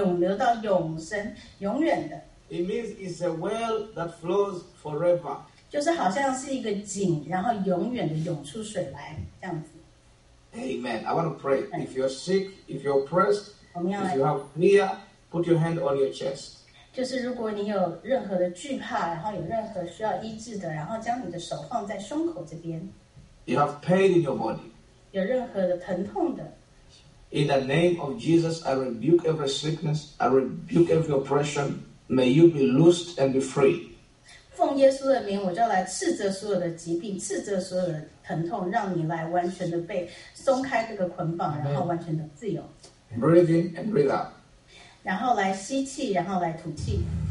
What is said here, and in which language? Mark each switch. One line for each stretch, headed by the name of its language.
Chinese: 就是说，他所赐的水永远不渴，因为这个水要成为泉源，直到永生，永流到永生，永远的。
English: It means it's a well that flows forever.
Chinese: 就是好像是一个井，然后永远的涌出水来，这样子。Amen.
English: I want to pray. If you're sick, if you're oppressed, if you have fear, put your hand on your chest.
Chinese: 就是如果你有任何的惧怕，然后有任何需要医治的，然后将你的手放在胸口这边。
English: You have pain in your body.
Chinese: 有任何的疼痛的。
English: In the name of Jesus, I rebuke every sickness. I rebuke every oppression. May you be loosed and be free.
Chinese: 奉耶稣的名，我就来斥责所有的疾病，斥责所有的疼痛，让你来完全的被松开这个捆绑，然后完全的自由。
English: Breathe in and breathe out.
Chinese: 然后来吸气，然后来吐气。